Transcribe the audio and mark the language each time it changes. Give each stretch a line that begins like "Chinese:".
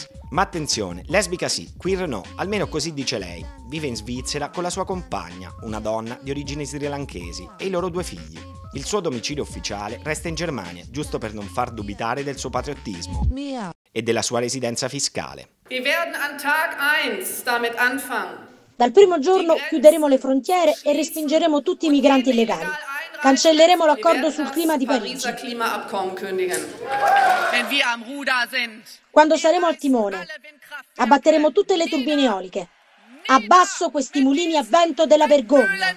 Italian: Ma attenzione, lesbica sì, queer no, almeno così dice lei. Vive in Svizzera con la sua compagna, una donna di origini srilanchesi, e i loro due figli. Il suo domicilio ufficiale resta in Germania, giusto per non far dubitare del suo patriottismo Mia. E della sua residenza fiscale.
German: Wir werden an Tag 1 damit anfangen.
Italian: Dal primo giorno chiuderemo le frontiere e respingeremo tutti i migranti illegali. Cancelleremo l'accordo sul clima di Parigi. Quando saremo al timone, abbatteremo tutte le turbine eoliche. Abbasso questi mulini a vento della vergogna.